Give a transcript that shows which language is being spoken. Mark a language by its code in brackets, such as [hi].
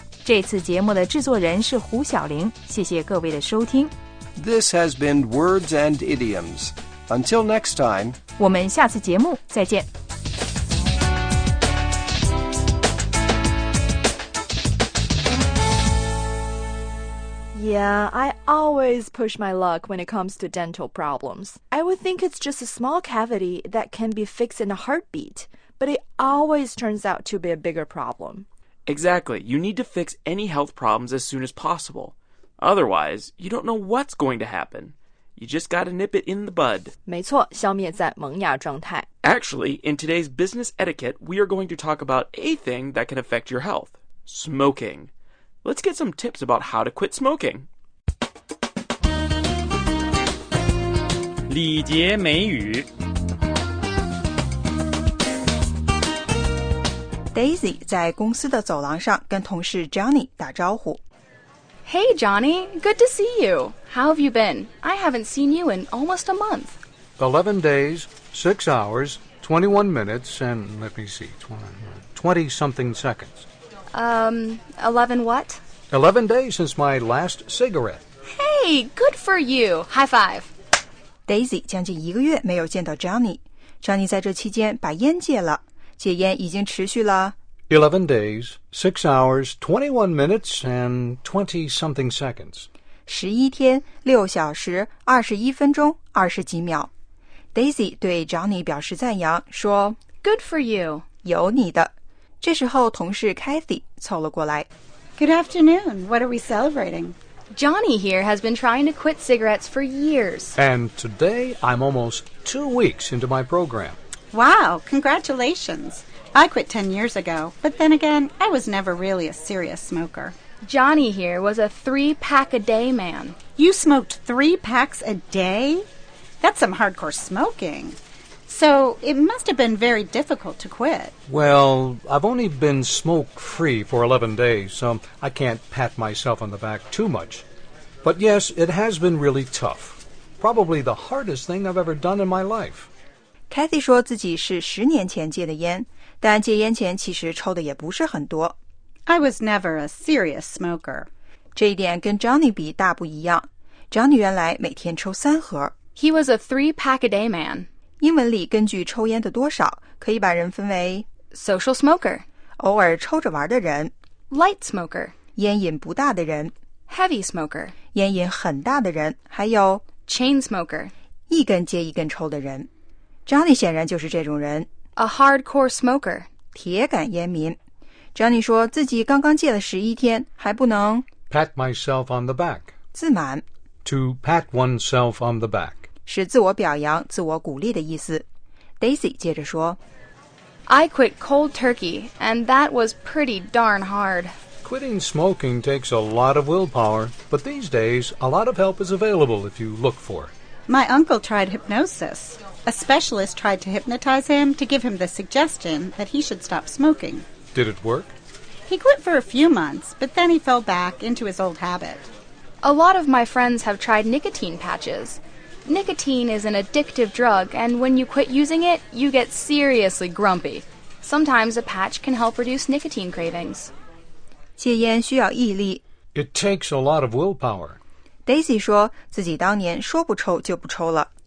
[zh] 这次节目的制作人是胡晓玲，谢谢各位的收听。 [en] This has been Words and Idioms. Until next time, [zh] 我们下次节目再见。 [en] Yeah, I always push my luck when it comes to dental problems. I would think it's just a small cavity that can be fixed in a heartbeat, but it always turns out to be a bigger problem. Exactly. You need to fix any health problems as soon as possible. Otherwise, you don't know what's going to happen. You just gotta nip it in the bud. [zh] 没错，消灭在萌芽状态。 [en] Actually, in today's business etiquette, we are going to talk about a thing that can affect your health. Smoking. Let's get some tips about how to quit smoking. [zh] 礼节美语。 Daisy 在公司的走廊上跟同事 Johnny 打招呼。 [en] Hey, Johnny. Good to see you. How have you been? I haven't seen you in almost a month. 11 days, 6 hours, 21 minutes, and let me see, 20-something seconds. 11 what? 11 days since my last cigarette. Hey, good for you. High five. [zh] Daisy 将近一个月没有见到 Johnny. Johnny 在这期间把烟戒了。戒烟已经持续了 [en] 11 days, 6 hours, 21 minutes, and 20-something seconds. [zh] 11天, 6小时, 21分钟, 20几秒。 Daisy 对 Johnny 表示赞扬, 说 [en] Good for you. [zh] 有你的。这时候同事 Kathy 凑了过来。 [en] Good afternoon. What are we celebrating? Johnny here has been trying to quit cigarettes for years. And today, I'm almost 2 weeks into my program. Wow, congratulations. I quit 10 years ago, but then again, I was never really a serious smoker. Johnny here was a 3-pack-a-day man. You smoked 3 packs a day? That's some hardcore smoking. So, it must have been very difficult to quit. Well, I've only been smoke-free for 11 days, so I can't pat myself on the back too much. But yes, it has been really tough. Probably the hardest thing I've ever done in my life. [zh] Kathy 说自己是十年前戒的烟。但戒烟前其实抽的也不是很多。 [en] I was never a serious smoker. [zh] 这一点跟 Johnny 比大不一样。Johnny 原来每天抽三盒。 [en] He was a 3-pack-a-day man. [zh] 英文里根据抽烟的多少可以把人分为 [en] social smoker, [zh] 偶尔抽着玩的人 [en] light smoker, [zh] 烟瘾不大的人 [en] heavy smoker, [zh] 烟瘾很大的人还有 [en] chain smoker, [zh] 一根接一根抽的人。 Johnny 显然就是这种人。 [en] A hardcore smoker. [zh] 铁杆烟民。 Johnny 说自己刚刚戒了十一天还不能 [en] pat myself on the back. [zh] 自满。 [en] To pat oneself on the back. [zh] 是自我表扬、自我鼓励的意思。Daisy 接着说 [en] I quit cold turkey, and that was pretty darn hard. Quitting smoking takes a lot of willpower, but these days, a lot of help is available if you look for it. My uncle tried hypnosis. A specialist tried to hypnotize him to give him the suggestion that he should stop smoking. Did it work? He quit for a few months, but then he fell back into his old habit. A lot of my friends have tried nicotine patches. Nicotine is an addictive drug, and when you quit using it, you get seriously grumpy. Sometimes a patch can help reduce nicotine cravings. [zh] 戒烟需要毅力。 [en] It takes a lot of willpower. [zh] Daisy 说自己当年说不抽就不抽了。